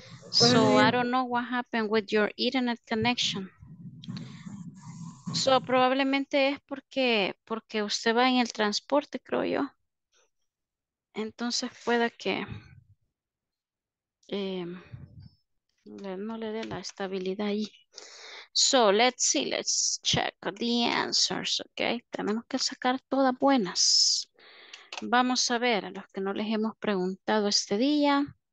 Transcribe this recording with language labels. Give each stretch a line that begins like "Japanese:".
English: So I don't know what happened with your internet connection.
Spanish: So probablemente es porque usted va en el transporte, creo yo. Entonces pueda que no le dé la estabilidad ahí.
English: So let's see, let's check the answers, okay?
Spanish: Tenemos que sacar todas buenas. Vamos a ver a los que no les hemos preguntado este día.